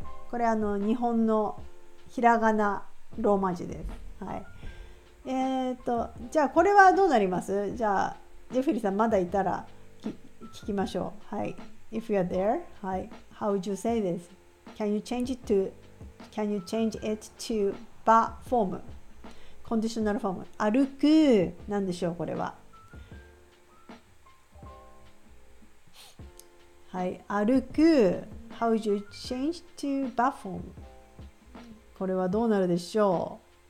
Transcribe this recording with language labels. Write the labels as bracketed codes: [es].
[ja] これ、あの、日本のひらがなローマ字です。はい。じゃあ、これはどうなります？じゃあ、ジェフリーさん、まだいたら聞きましょう。 [en] はい。If you're there, はい。How would you say this? Can you change it toCan you change it to ba form? Conditional form. [ja] 歩く、何でしょうこれは。 [en] はい、歩く。How would you change to ba form? [ja] これはどうなるでしょう。